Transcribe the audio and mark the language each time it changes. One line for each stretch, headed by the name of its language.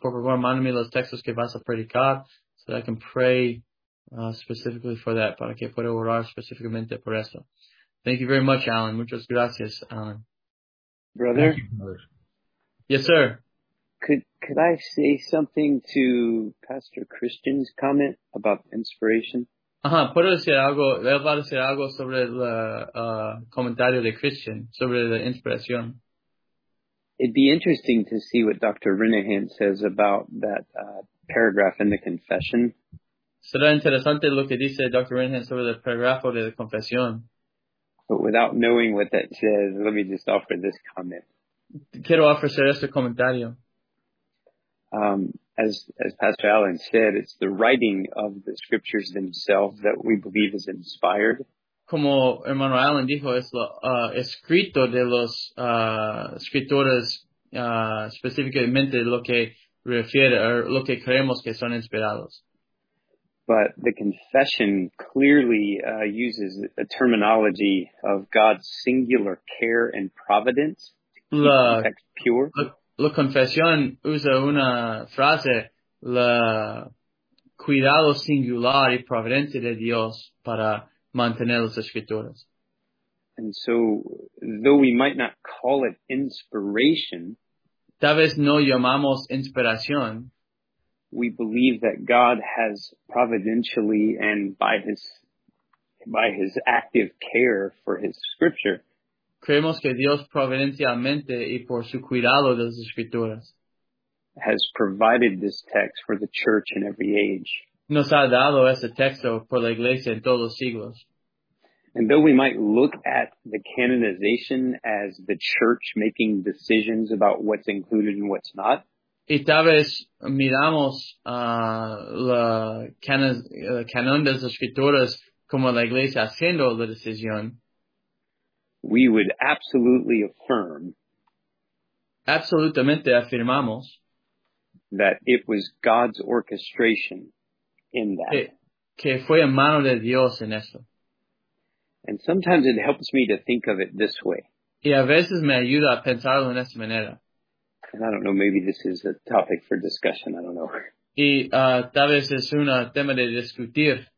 Spanish: Por favor, mándame los textos que vas a predicar
English: so that I can pray specifically for that,
Spanish: para que pueda orar específicamente por eso.
English: Thank you very much, Alan.
Spanish: Muchas gracias, Alan.
English: Brother? Yes, sir. Could I say something to Pastor Christian's comment about inspiration?
Spanish: Ajá, puedo decir algo, él va a decir algo sobre el comentario de Christian, sobre la inspiración.
English: It'd be interesting to see what Dr. Renahan says about that paragraph in the confession.
Spanish: Será interesante lo que dice Dr. Renahan sobre el paragrafo de la confesión.
English: But without knowing what that says, let me just offer this comment.
Spanish: Quiero ofrecer este comentario.
English: As Pastor Allen said, it's the writing of the scriptures themselves that we believe is inspired.
Spanish: Como hermano Allen dijo, es lo escrito de los escritores específicamente lo que refiere o lo que creemos que son inspirados.
English: But the confession clearly uses a terminology of God's singular care and providence to keep the text pure.
Spanish: La confesión usa una frase, la cuidado singular y providente de Dios para mantener las escrituras.
English: And so, though we might not call it inspiration,
Spanish: tal vez no llamamos inspiración,
English: we believe that God has providentially and by his active care for his scripture.
Spanish: Creemos que Dios providencialmente y por su cuidado de las escrituras
English: has provided this text for the church in every age.
Spanish: Nos ha dado este texto por la iglesia en todos los siglos.
English: And though we might look at the canonization as the church making decisions about what's included and what's not,
Spanish: y tal vez miramos la canon de las escrituras como la iglesia haciendo la decisión,
English: we would absolutely affirm,
Spanish: absolutamente afirmamos,
English: that it was God's orchestration in that.
Spanish: Que fue en mano de Dios en eso.
English: And sometimes it helps me to think of it this way.
Spanish: Y a veces me ayuda a pensarlo en esta manera.
English: And I don't know, maybe this is a topic for discussion. I don't know.
Spanish: Y tal vez es un tema de discutir.